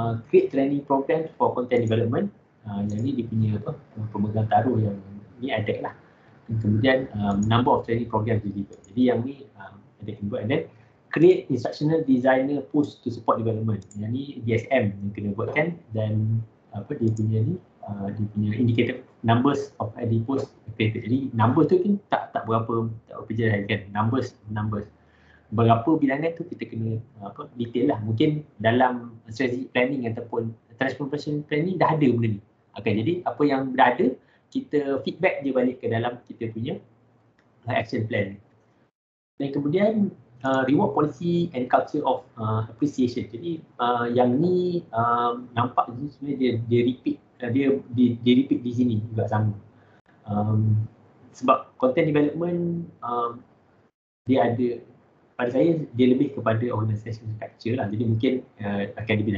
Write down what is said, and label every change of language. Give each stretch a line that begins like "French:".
English: Create training program for content development.
Malay: Yang ni dia punya apa? Pemegang taruh yang ni ada lah. Dan kemudian
English: number of training program juga.
Malay: Jadi yang ni ada yang buat.
English: And then create instructional designer post to support development.
Malay: Yang ni DSM yang kena buatkan. Dan apa dia punya ni? Dia punya
English: indicator numbers of ID post created.
Malay: Jadi number tu kan tak berapa, tak apa je kan, numbers berapa bilangan tu kita kena apa detail lah. Mungkin dalam strategic planning ataupun transformation planning dah ada benda ni. Okay, jadi apa yang dah ada kita feedback dia balik ke dalam kita punya action plan. Dan kemudian
English: reward policy and culture of appreciation.
Malay: Jadi yang ni nampak ni sebenarnya dia repeat. Dia repeat di sini juga sama. Sebab content development dia ada, pada saya dia lebih kepada organisation structure lah. Jadi mungkin akan dibina.